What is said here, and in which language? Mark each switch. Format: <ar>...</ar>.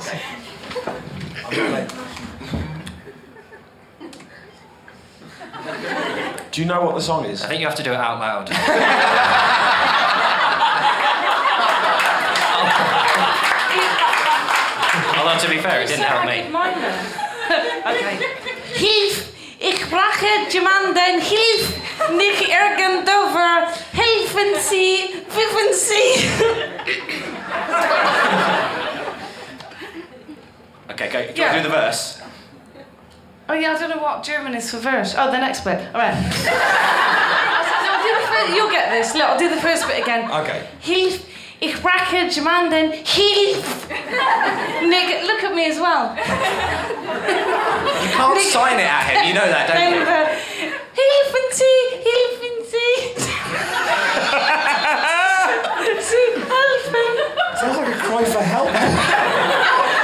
<en>zwei. You can't show me. Okay. I'm late. Do you know what the song is? I think you have to do it out loud. Although, to be fair, it didn't help me. Okay.</en> <de>Hilf, ich brauche jemanden, hilf, nicht irgendwer, helfen Sie, helfen Sie.</de> <en>Okay, go. Do you want to do the verse? Oh, yeah, I don't know what German is for verse. Oh, the next bit. All right. So I'll do the first, you'll get this. Look, I'll do the first bit again. Okay.</en> <de>Hilf. Ich brauche jemanden, hilf!</de> <en>Nick, look at me as well. You can't Nick, sign it at him, you know that, don't you?</en> <de>Helfen Sie, helfen Sie! Sie helfen!</de> <en>Sounds like a cry for help.</en>